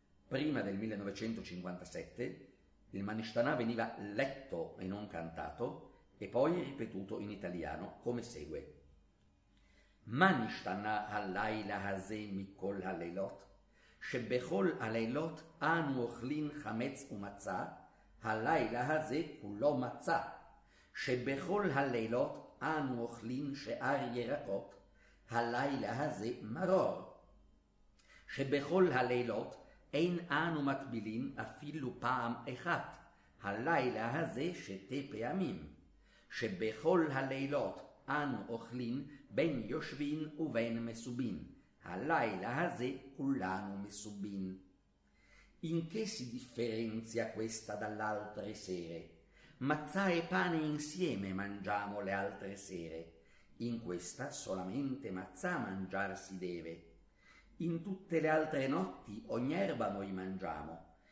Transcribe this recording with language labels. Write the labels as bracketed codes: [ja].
[it] Prima del 1957 il Manishtana veniva letto e non cantato e poi ripetuto in italiano come segue. [he] Manishtana halayla hazeh mikol halelot. שבכל הלילות אנו אוכלים חמץ ומצה, הלילה הזה כולו מצה. שבכל הלילות אנו אוכלים שאר ירקות, הלילה הזה מרור. שבכל הלילות אין אנו מטבילים אפילו פעם אחת, הלילה הזה שתי פעמים. שבכל הלילות אנו אוכלים בין יושבין ובין מסובין. Halayla haze kulanu mesubin. [it] In che si differenzia questa dall'altre sere? Mazzà e pane insieme mangiamo le altre sere. In questa solamente mazzà mangiar si deve. In tutte le altre notti ogni erba noi mangiamo.